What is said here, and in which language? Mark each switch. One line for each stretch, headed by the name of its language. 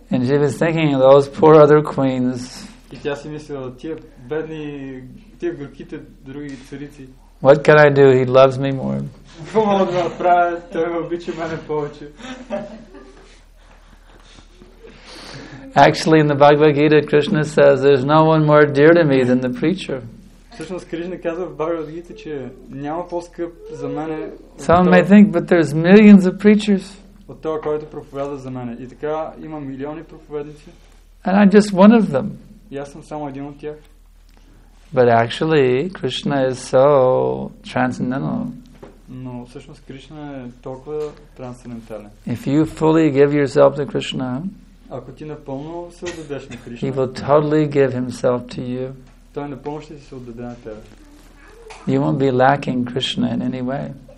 English: And she was thinking those poor other queens.
Bulgarian: И тя си мислила, тия бедни, тия горките други царици.
English: What can I do? He loves me more.
Bulgarian: Какво мога да направя? Той ме обича мене повече.
English: Actually, in the Bhagavad Gita, Krishna says there's no one more dear to me than the preacher.
Bulgarian: Всъщност Кришна казва в Бхагавад Гита, че няма по-скъп за мене.
English: Some may think, but there's millions of preachers.
Bulgarian: От това, който проповядва за мене. И така има милиони проповедници.
English: And I'm just one of them.
Bulgarian: И аз съм само един от тях.
English: But actually, Krishna is so transcendental.
Bulgarian: Но всъщност Кришна е толкова трансцендентален.
English: If you fully give yourself to Krishna,
Bulgarian: ако ти напълно се отдадеш на Кришна,
English: He will totally give himself to you.
Bulgarian: Той напълно ще ти се отдаде на тебе.
English: You won't be lacking Krishna in any way.